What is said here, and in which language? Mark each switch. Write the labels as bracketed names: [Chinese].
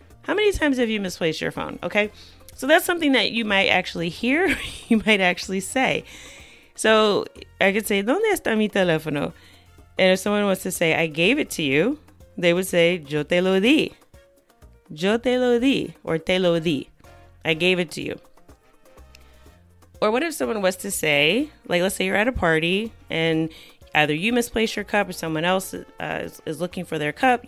[English] How many times have you misplaced your phone? Okay, so that's something that you might actually hear, you might actually say. So I could say, [Spanish] ¿dónde está mi teléfono? [English] And if someone wants to say, I gave it to you, they would say, [Spanish] yo te lo di. Yo te lo di, or te lo di. [English] I gave it to you. Or what if someone was to say, like, let's say you're at a party and either you misplace your cup or someone else is looking for their cup.